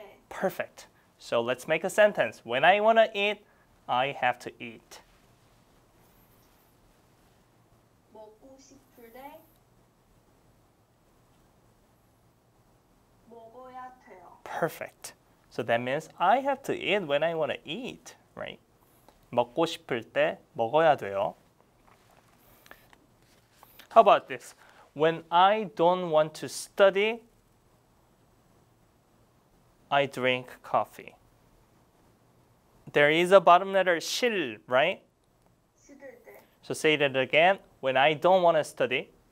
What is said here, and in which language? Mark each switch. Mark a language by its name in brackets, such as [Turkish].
[English] Perfect. So let's make a sentence. When I want to eat, I have to eat. [Korean] 먹고 싶을 때 먹어야 돼요. [English] Perfect. So that means I have to eat when I want to eat, right? [Korean] 먹고 싶을 때 먹어야 돼요. [English] How about this? When I don't want to study, I drink coffee. There is a bottom letter 실, right? [Korean] 싫을 때. [English] So say that again. When I don't want to study,